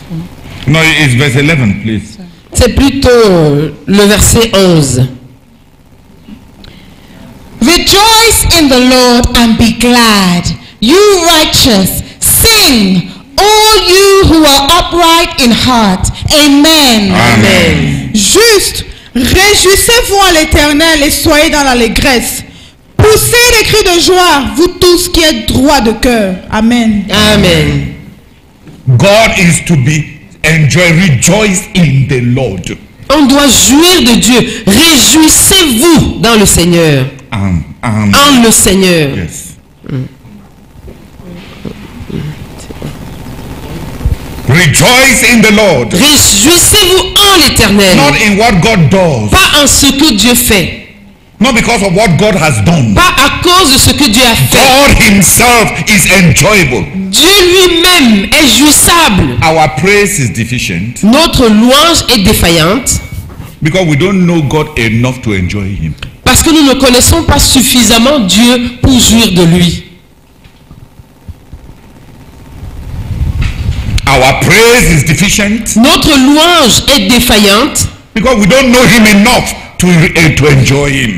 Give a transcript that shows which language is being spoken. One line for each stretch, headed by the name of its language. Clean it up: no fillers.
English: 4. No, it's verse 11, please. Sorry.
French: C'est plutôt le verset 11.
English: Rejoice in the Lord and be glad, you righteous. Sing, all you who are upright in heart. Amen. Amen.
French: Juste, réjouissez-vous à l'Éternel et soyez dans l'allégresse. Poussez des cris de joie, vous tous qui êtes droits de cœur. Amen. Amen.
English: God is to be. Enjoy, rejoice in the Lord.
French: On doit jouir de Dieu. Réjouissez-vous dans le Seigneur. En le Seigneur.
English: Yes. Rejoice in the Lord.
French: Réjouissez-vous en l'Éternel.
English: Not in what God does.
French: Pas en ce que Dieu fait.
English: Not because of what God has done.
French: Pas à cause de ce que Dieu a fait.
English: God himself is enjoyable.
French: Dieu lui-même est jouissable.
English: Our praise is deficient.
French: Notre louange est défaillante.
English: Because we don't know God enough to enjoy him.
French: Parce que nous ne connaissons pas suffisamment Dieu pour jouir de lui.
English: Our praise is deficient.
French: Notre louange est défaillante.
English: Because we don't know him enough. To enjoy him.